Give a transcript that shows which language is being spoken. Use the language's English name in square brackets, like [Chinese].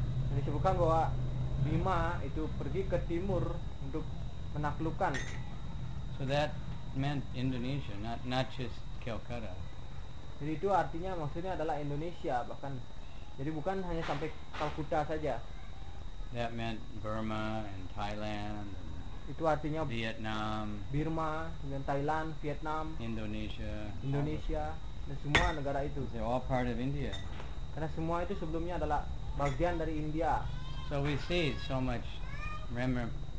[Indonesian] Jadi disebutkan bahwa Bhima itu pergi ke timur untuk menaklukkan. [English] So that meant Indonesia, not just Calcutta. [Indonesian] Jadi itu artinya maksudnya adalah Indonesia, bahkan jadi bukan hanya sampai Calcutta saja. [English] That meant Burma and Thailand. [Indonesian] Itu artinya [English] Vietnam, [Indonesian] Burma, dan Thailand, Vietnam, [English] Indonesia, [Indonesian] dan semua negara itu. [English] They're all part of India. [Indonesian] Karena semua itu sebelumnya adalah bagian dari India. [English] So we see so much remnants.